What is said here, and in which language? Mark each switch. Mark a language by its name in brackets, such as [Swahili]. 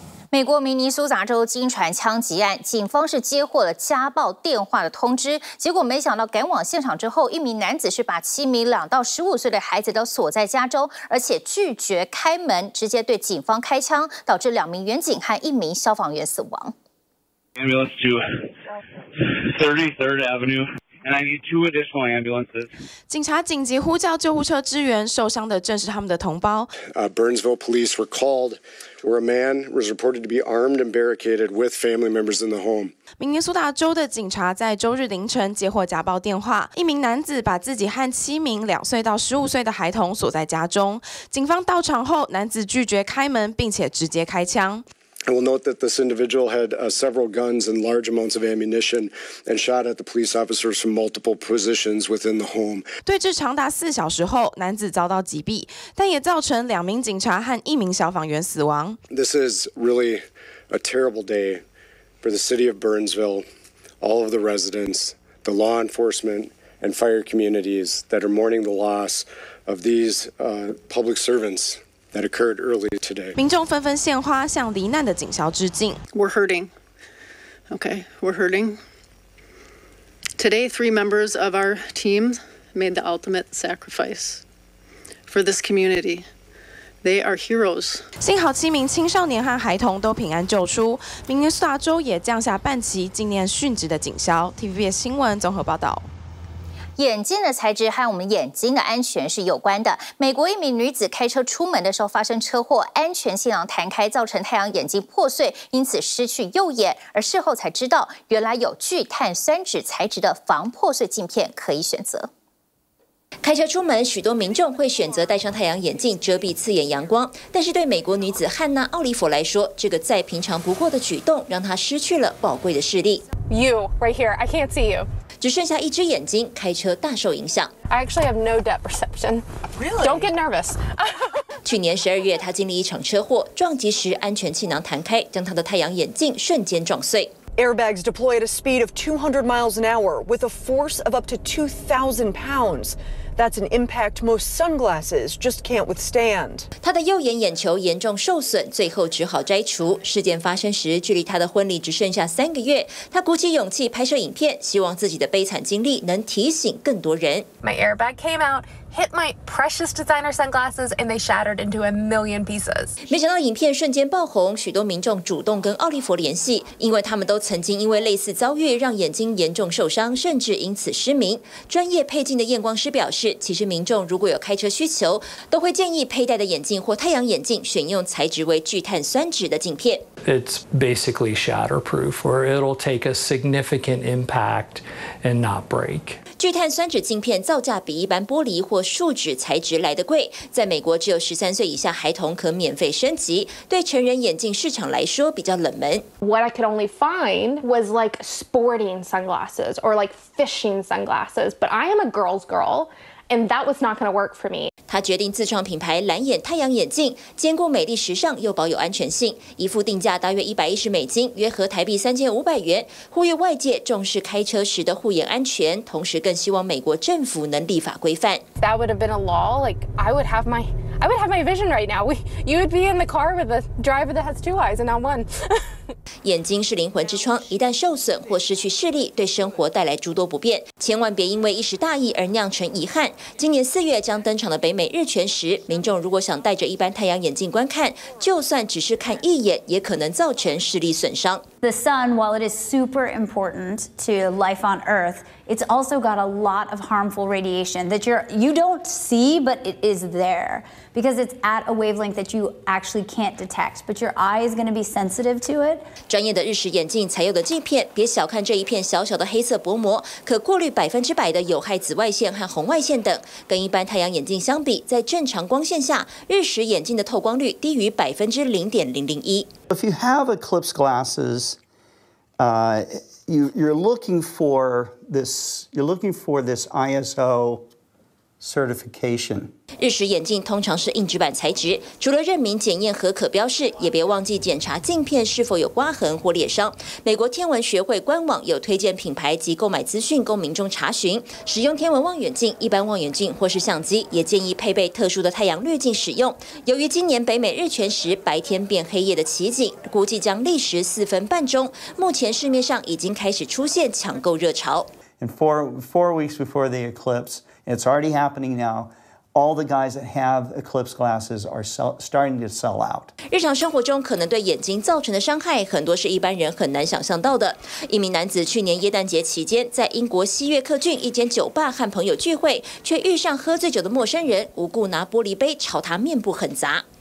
[Chinese] 美国明尼苏达州金船枪击案，警方是接获了家暴电话的通知，结果没想到赶往现场之后，一名男子是把7名2到15岁的孩子都锁在家中，而且拒绝开门，直接对警方开枪，导致2名原警和1名消防员死亡。 [English] Ambulance to 33rd Avenue. And I need 2 additional ambulances. [Chinese] 警察紧急呼叫救护车支援，受伤的正是他们的同胞。 [English] Burnsville police were called, where a man was reported to be armed and barricaded with family members in the home. [Chinese] 明尼苏达州的警察在周日凌晨接获家暴电话，一名男子把自己和7名2岁到15岁的孩童锁在家中。警方到场后，男子拒绝开门，并且直接开枪。 [English] I will note that this individual had several guns and large amounts of ammunition and shot at the police officers from multiple positions within the home. [Chinese] 对峙长达4小时后，男子遭到击毙，但也造成2名警察和1名消防员死亡。 [English] This is really a terrible day for the city of Burnsville, all of the residents, the law enforcement and fire communities that are mourning the loss of these public servants. That occurred earlier today. [Chinese] 民众纷纷献花向罹难的警校致敬。 [English] We're hurting. Okay, we're hurting. Today, 3 members of our team made the ultimate sacrifice for this community. They are heroes. [Chinese] 幸好7名青少年和孩童都平安救出。明尼苏达州也降下半旗纪念殉职的警校。 TVBS 新闻综合报道。眼镜的材质和我们眼睛的安全是有关的。美国一名女子开车出门的时候发生车祸，安全气囊弹开造成太阳眼镜破碎，因此失去右眼，而事后才知道原来有聚碳酸酯材质的防破碎镜片可以选择。开车出门，许多民众会选择戴上太阳眼镜遮蔽刺眼阳光，但是对美国女子汉娜·奥利弗来说，这个再平常不过的举动让她失去了宝贵的视力。 [English] You right here. I can't see you. [Chinese] 只剩下一只眼睛，开车大受影响。 [English] I actually have no depth perception. Really? Don't get nervous. [Chinese] 去年十二月，他经历一场车祸，撞击时安全气囊弹开，将他的太阳眼镜瞬间撞碎。 [English] Airbags deploy at a speed of 200 miles an hour with a force of up to 2,000 pounds. That's an impact most sunglasses just can't withstand. [Chinese] 他的右眼眼球严重受损，最后只好摘除。事件发生时，距离他的婚礼只剩下三个月。他鼓起勇气拍摄影片，希望自己的悲惨经历能提醒更多人。 [English] My airbag came out. Hit my precious designer sunglasses, and they shattered into a million pieces. [Chinese] 没想到影片瞬间爆红，许多民众主动跟奥利弗联系，因为他们都曾经因为类似遭遇让眼睛严重受伤，甚至因此失明。专业配镜的验光师表示，其实民众如果有开车需求，都会建议佩戴的眼镜或太阳眼镜选用材质为聚碳酸酯的镜片。 [English] It's basically shatterproof, where it'll take a significant impact and not break. [Chinese] 聚碳酸酯镜片造价比一般玻璃或树脂材质来得贵，在美国只有13岁以下孩童可免费升级，对成人眼镜市场来说比较冷门。 [English] What I could only find was like sporting sunglasses or like fishing sunglasses, but I am a girl's girl. And that was not going to work for me. [Chinese] 他决定自创品牌蓝眼太阳眼镜，兼顾美丽时尚又保有安全性。一副定价大约$110，约合台币3500元。呼吁外界重视开车时的护眼安全，同时更希望美国政府能立法规范。 [English] That would have been a law. Like I would have my vision right now. You would be in the car with a driver that has two eyes and not one. [Chinese] 眼睛是灵魂之窗，一旦受损或失去视力，对生活带来诸多不便。千万别因为一时大意而酿成遗憾。今年四月将登场的北美日全食，民众如果想戴着一般太阳眼镜观看，就算只是看一眼，也可能造成视力损伤。 [English] The sun, while it is super important to life on Earth, it's also got a lot of harmful radiation that you don't see, but it is there because it's at a wavelength that you actually can't detect, but your eye is going to be sensitive to it. [Chinese] 专业的日食眼镜才有的镜片，别小看这一片小小的黑色薄膜，可过滤100%的有害紫外线和红外线等。跟一般太阳眼镜相比，在正常光线下，日食眼镜的透光率低于0.001%。 [English] If you have eclipse glasses, you're looking for this ISO certification. [Chinese] 日食眼镜通常是硬纸板材质，除了认明检验合格标示，也别忘记检查镜片是否有刮痕或裂伤。美国天文学会官网有推荐品牌及购买资讯供民众查询。使用天文望远镜、一般望远镜或是相机，也建议配备特殊的太阳滤镜使用。由于今年北美日全食，白天变黑夜的奇景估计将历时4分半钟。目前市面上已经开始出现抢购热潮。 [English] And four weeks before the eclipse, it's already happening now. All the guys that have eclipse glasses are starting to sell out. [Chinese] 日常生活中可能对眼睛造成的伤害，很多是一般人很难想象到的。一名男子去年耶诞节期间，在英国西约克郡一间酒吧和朋友聚会，却遇上喝醉酒的陌生人，无故拿玻璃杯朝他面部狠砸。